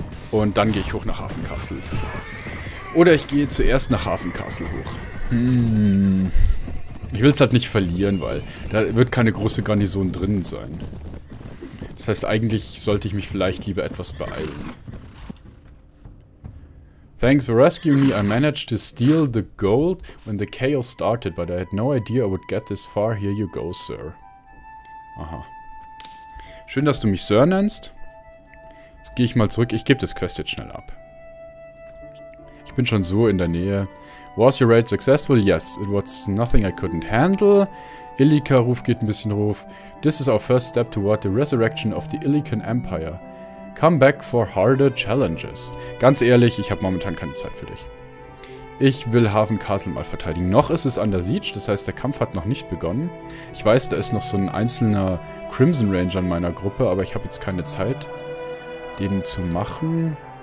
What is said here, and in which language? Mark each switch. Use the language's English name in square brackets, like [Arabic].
[German] Und dann gehe ich hoch nach Hafen Castle. Oder ich gehe zuerst nach Hafen Castle hoch. Ich will es halt nicht verlieren, weil da wird keine große Garnison drin sein. Das heißt, eigentlich sollte ich mich vielleicht lieber etwas beeilen. [English] Thanks for rescuing me, I managed to steal the gold when the chaos started, but I had no idea I would get this far. Here you go, sir. Aha. [German] Schön, dass du mich Sir nennst. Jetzt gehe ich mal zurück. Ich gebe das Quest jetzt schnell ab. Ich bin schon so in der Nähe. [English] Was your raid successful? Yes. It was nothing I couldn't handle. [German] Illika-Ruf geht ein bisschen hoch. [English] This is our first step toward the resurrection of the Illican Empire. Come back for harder challenges. [German] Ganz ehrlich, ich habe momentan keine Zeit für dich. Ich will Hafen Castle mal verteidigen. Noch ist es an der Siege, das heißt, der Kampf hat noch nicht begonnen. Ich weiß, da ist noch so ein einzelner Crimson Ranger in meiner Gruppe, aber ich habe jetzt keine Zeit, den zu machen.